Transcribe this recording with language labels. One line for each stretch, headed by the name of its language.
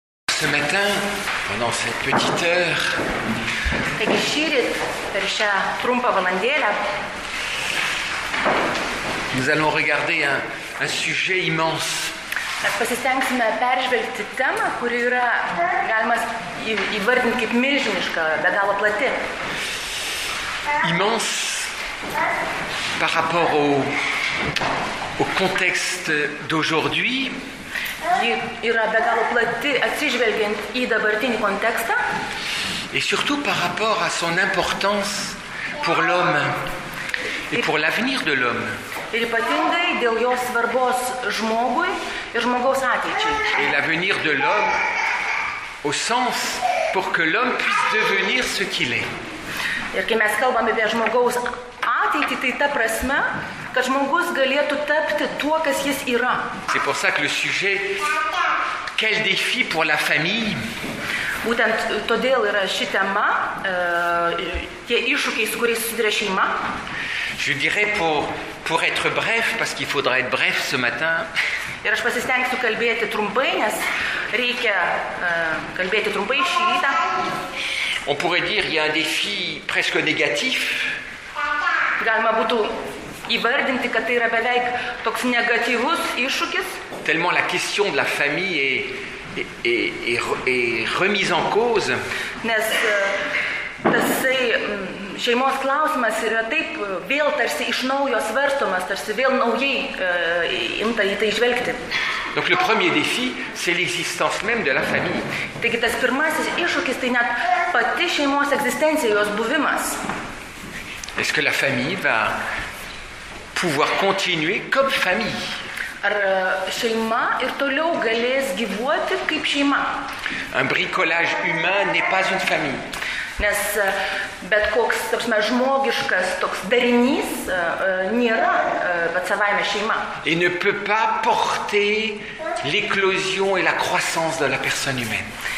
French: ce matin, pendant cette petite heure,
Lithuanian: taigi šįryt, per šią trumpą valandėlę,
French: nous allons regarder un sujet immense.
Lithuanian: Mes pasistengsime peržvelgti temą, kuri yra galima įvardinti kaip milžiniška, be galo plati.
French: Immense par rapport au contexte d'aujourd'hui.
Lithuanian: Ji yra be galo plati, atsižvelgiant į dabartinį kontekstą.
French: Et surtout par rapport à son importance pour l'homme et pour l'avenir de l'homme.
Lithuanian: Ir ypatingai dėl jos svarbos žmogui ir žmogaus ateičiai.
French: Et l'avenir de l'homme au sens pour que l'homme puisse devenir ce qu'il est.
Lithuanian: Ir kai mes kalbame apie žmogaus ateitį, tai ta prasme, kad žmogus galėtų tapti tuo, kas jis yra.
French: C'est pour ça que le sujet « Quel défi pour la famille ?»
Lithuanian: Būtent todėl yra ši tema, tie iššūkiai, su kuriais susiduria šeima.
French: Je dirais pour être bref, parce qu'il faudra être bref ce matin.
Lithuanian: Ir aš pasistengsiu kalbėti trumpai, nes reikia kalbėti trumpai šį rytą.
French: On pourrait dire il y a un défi presque négatif.
Lithuanian: Galima būtų įvardinti, kad tai yra beveik toks negatyvus iššūkis.
French: Tellement la question de la famille est remise en cause.
Lithuanian: Nes tasai šeimos klausimas yra taip vėl tarsi iš naujo svarstomas, tarsi vėl naujai imta į tai žvelgti.
French: Donc le premier défi, c'est l'existence même de la famille.
Lithuanian: Taigi tas pirmasis iššūkis, tai net pati šeimos egzistencija, jos buvimas.
French: Est-ce que la famille va pouvoir continuer comme famille?
Lithuanian: Ar šeima ir toliau galės gyvuoti kaip šeima?
French: Un bricolage humain n'est pas une famille.
Lithuanian: Nes bet koks, tarsi, žmogiškas toks darinys nėra pats savaime šeima.
French: Et ne peut pas porter l'éclosion et la croissance de la personne humaine.